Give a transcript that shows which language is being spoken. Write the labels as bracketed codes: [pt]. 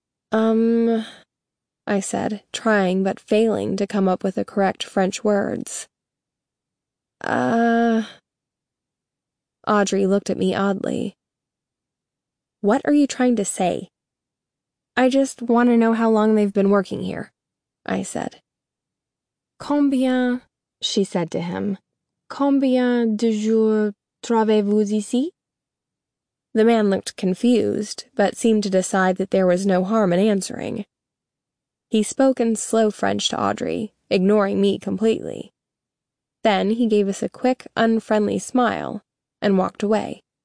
[en] I said, trying but failing to come up with the correct French words. Audrey looked at me oddly. What are you trying to say? I just want to know how long they've been working here, I said. [fr] Combien, [en] she said to him, [fr] combien de jours travaillez-vous ici? [en] The man looked confused, but seemed to decide that there was no harm in answering. He spoke in slow French to Audrey, ignoring me completely. Then he gave us a quick, unfriendly smile and walked away.